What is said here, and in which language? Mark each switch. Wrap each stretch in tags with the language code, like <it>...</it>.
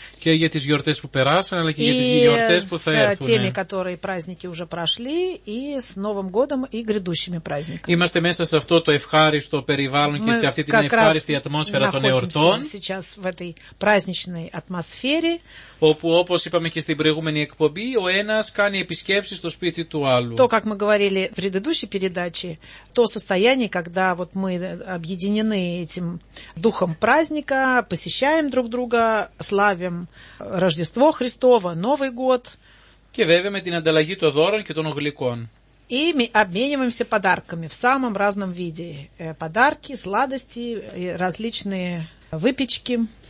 <ru>И с теми, которые праздники уже прошли, и с Новым годом, и грядущими праздниками. Мы как раз находимся сейчас в этой праздничной атмосфере.</ru> <el>Όπου, όπως είπαμε και στην προηγούμενη εκπομπή, ο ένας κάνει επισκέψεις στο σπίτι του άλλου.</el> <ru>То, как мы говорили в предыдущей передаче, то состояние, когда вот мы объединены этим духом праздника, посещаем друг друга, славим Рождество Христово, Новый год.</ru> <el>Και βέβαια με την ανταλλαγή των δώρων και των γλυκών.</el> <ru>И мы обмениваемся подарками в самом разном виде. Подарки, сладости, различные выпечки.</ru>